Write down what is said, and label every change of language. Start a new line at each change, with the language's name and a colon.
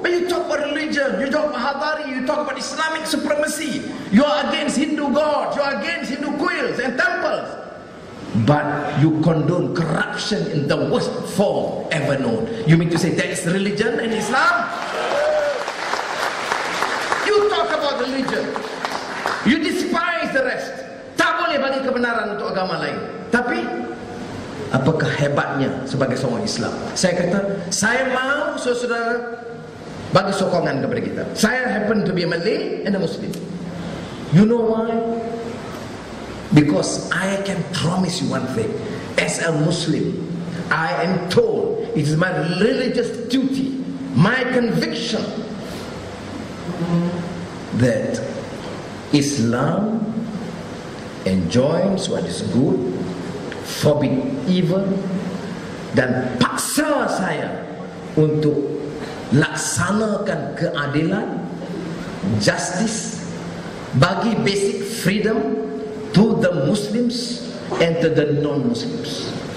English: When you talk about religion, you talk about Hadhari, you talk about Islamic supremacy, you are against Hindu gods, you are against Hindu quills and temples. But you condone corruption in the worst form ever known. You mean to say that is religion and Islam? You talk about religion. You despise the rest.
Malay: Tak boleh bagi kebenaran untuk agama lain. Tapi apakah hebatnya sebagai seorang Islam? Saya kata, saya mahu saudara bagi sokongan kepada kita. Saya
English: happen to be a Malay and a Muslim. You know why? Because I can promise you one thing. As a Muslim, I am told it is my religious duty, my conviction, that Islam enjoins what is good, forbid evil,
Malay: dan paksa saya untuk laksanakan keadilan,
English: justice,
Malay: bagi
English: basic freedom to the Muslims and to the non-Muslims.